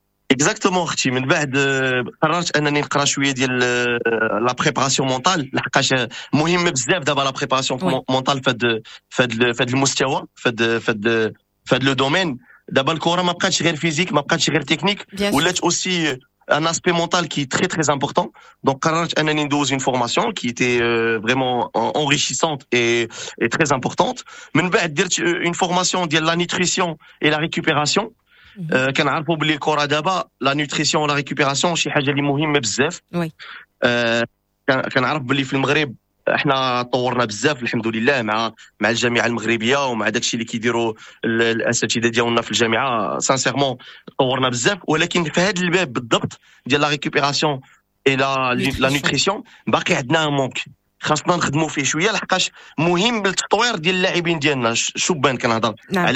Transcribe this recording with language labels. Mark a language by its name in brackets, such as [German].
[Arabic] اكزاكتومون اختي من بعد قررت انني نقرا شويه ديال [French] لا بريباراسيون مونطال [Arabic] لحقاش مهمه بزاف دابا لا بريباراسيون مونطال فهاد المستوى فهاد [French] لو دومين. [Arabic] دابا الكره ما بقاتش غير فيزيك ما بقاتش غير تكنيك ولات اوسي [French] un aspect mental qui est très très important. Donc Karanch une formation qui était vraiment enrichissante et très importante. Mais une formation de la nutrition et la récupération. Quand on a oublié le corps d'abord, la nutrition et la récupération, c'est quelque chose de très important. [Arabic] كنعرف بلي في المغرب احنا طورنا بزاف الحمد لله مع الجامعه المغربيه ومع داكشي اللي كيديروا الاساتذه ديالنا في الجامعه سانسيرمون طورنا بزاف ولكن في هذا الباب بالضبط ديال [French] لا ريكوبيراسيون اي لا نوتريسيون [Arabic] باقي عندنا مونك خاصنا نخدموا فيه شويه لحقاش مهم بالتطوير ديال اللاعبين ديالنا شبان كنهضر نعم.